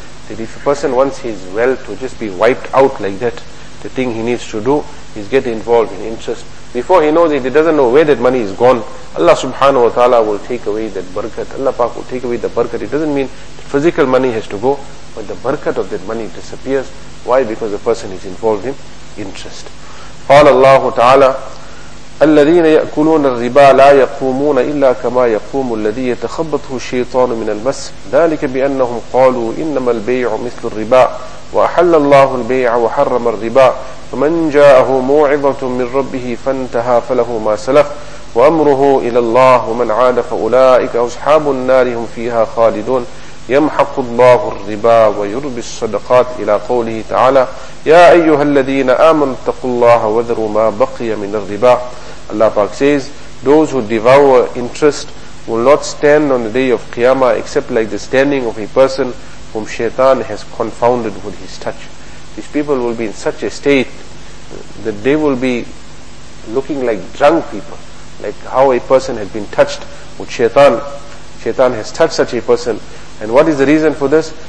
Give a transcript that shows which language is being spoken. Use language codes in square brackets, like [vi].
[en] That if a person wants his wealth to just be wiped out like that, the thing he needs to do is get involved in interest. Before he knows it, he doesn't know where that money is gone. Allah subhanahu wa ta'ala will take away that barakat. Allah Pak will take away the barakat. It doesn't mean that physical money has to go, but the barakat of that money disappears. Why? Because the person is involved in interest. [ar] قال الله تعالى الذين يأكلون الربا لا يقومون إلا كما يقوم الذي يتخبطه الشيطان من المس ذلك بأنهم قالوا إنما البيع مثل الربا وأحل الله البيع وحرم الربا فمن جاءه موعظة من ربه فانتهى فله ما سلف وأمره إلى الله ومن عاد فأولئك أصحاب النار هم فيها خالدون يمحق الله الربا ويربي الصدقات إلى قوله تعالى يا أيها الذين آمنوا اتقوا الله وذروا ما بقي من الربا. [en] Allah Pak says, those who devour interest will not stand on the day of Qiyamah except like the standing of a person whom Shaitan has confounded with his touch. These people will be in such a state that they will be looking like drunk people, like how a person has been touched with Shaitan. Shaitan has touched such a person. And what is the reason for this?